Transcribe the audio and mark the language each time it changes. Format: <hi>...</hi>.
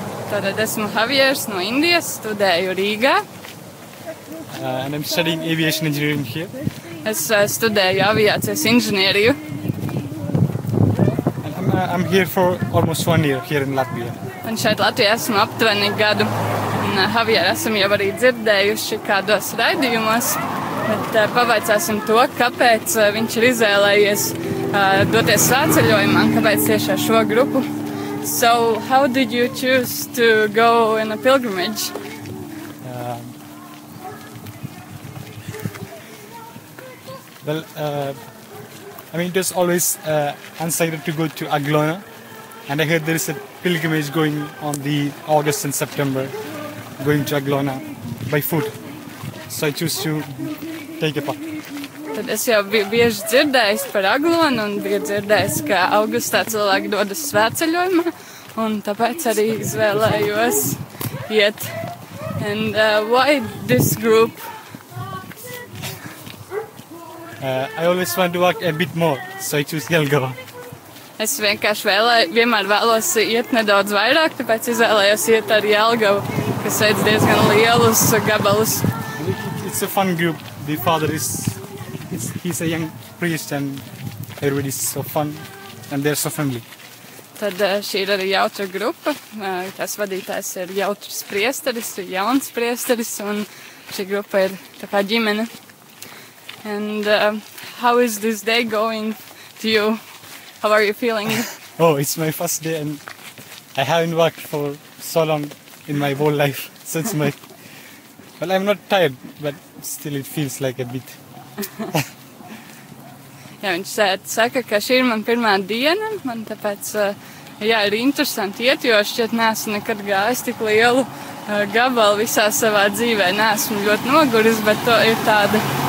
<lv>Tātad esmu Javiers no Indijas, studēju Rīgā.</lv> <en>And I'm studying aviation engineering here.</en> <lv>Es studēju aviācijas inženieriju.</lv> <en>I'm here for almost 1 year here in Latvia.</en> <lv>Un šeit Latvijā esmu aptuveni gadu. Un Javier, esam jau arī dzirdējuši kādos raidījumos, bet pavaicāsim to, kāpēc viņš ir izvēlējies doties svētceļojumā, kāpēc tieši ar šo grupu.</lv> <en>So, how did you choose to go in a pilgrimage? I mean, it was always unsighted to go to Aglona, and I heard there is a pilgrimage going on the August and September, going to Aglona by foot. So I choose to take a part.</en> <lv>Tad es jau bieži dzirdējis par Aglonu, un bija dzirdējis, ka augustā cilvēki dodas svētceļojumā, un tāpēc arī izvēlējos iet.</lv> <en>And why this group? I always want to walk a bit more, so I choose Jelgava.</en> <lv>Es vienkārši vienmēr vēlos iet nedaudz vairāk, tāpēc izvēlējos iet ar Jelgavu, kas veids diezgan lielus gabalus.</lv> <en>It's a fun group. The father is, he's a young priest and everybody is so fun and they're so friendly.</en> <lv>Tad šī ir arī jautra grupa. Tas vadītājs ir jautrs priesteris, jauns priesteris un šī grupa ir tā kā ģimene.</lv> <en>And how is this day going to you? How are you feeling? Oh, it's my first day and I haven't worked for so long in my whole life since my... Well, I'm not tired, but still it feels like a bit.</en> <lv>Jā, viņš saka, ka šī ir man pirmā diena. Man tāpēc, jā, ir interesanti iet, jo šķiet neesmu nekad gājis tik lielu gabalu visā savā dzīvē. Neesmu ļoti noguris, bet to ir tāda...</lv>